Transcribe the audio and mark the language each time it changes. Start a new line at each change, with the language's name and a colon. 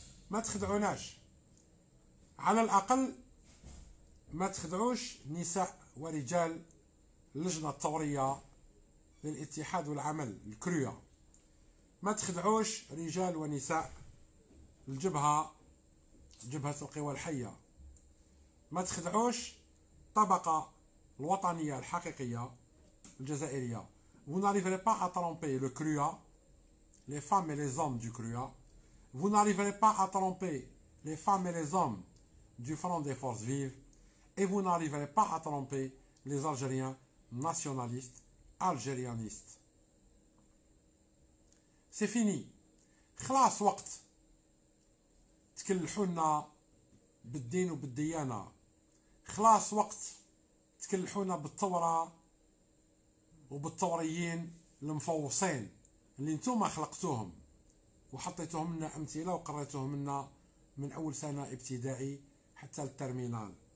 Arabic: ما تخدعوناش، على الاقل ما تخدعوش نساء ورجال اللجنة الثورية للاتحاد والعمل الكرية، ما تخدعوش رجال ونساء الجبهة، جبهة القوى الحية، ما تخدعوش طبقة الوطنية الحقيقية الجزائرية.
French: vous n'arriverez pas à tromper le CRUA, les femmes et les hommes du CRUA. vous n'arriverez pas à tromper les femmes et les hommes du Front des Forces Vives. et vous n'arriverez pas à tromper les Algériens nationalistes. الجيريانيست سي فيني،
Arabic: خلاص وقت تكلحونا بالدين وبالديانة، خلاص وقت تكلحونا بالثورة وبالثوريين المفوصين اللي انتم خلقتوهم وحطيتوهم لنا امثلة وقريتوهم لنا من اول سنة ابتدائي حتى الترمينال.